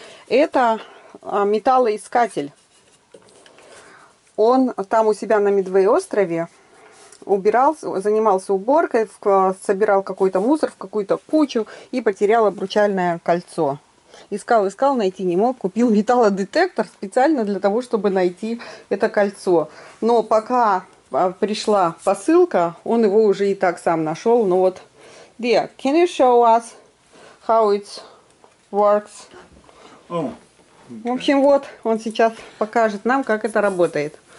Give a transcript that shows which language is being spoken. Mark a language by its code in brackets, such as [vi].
[ru] Это металлоискатель. Он там у себя на Медвей острове убирался, занимался уборкой, собирал какой-то мусор в какую-то кучу и потерял обручальное кольцо. Искал, искал, найти не мог. Купил металлодетектор специально для того, чтобы найти это кольцо. Но пока пришла посылка, он его уже и так сам нашел. Но вот, [en] dear, can you show us how it works? Oh, okay. [ru] В общем, вот он сейчас покажет нам, как это работает.